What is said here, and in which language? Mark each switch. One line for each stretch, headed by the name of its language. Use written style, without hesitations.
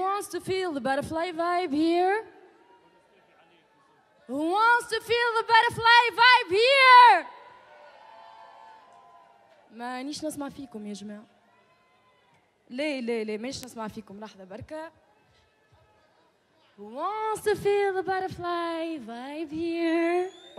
English: to feel the butterfly vibe here? Who wants to feel the butterfly vibe here?
Arabic: ما نيش نسمع فيكم يا جماعة. لا مش نسمع فيكم لحظة بركة.
English: Who wants to feel the butterfly vibe here?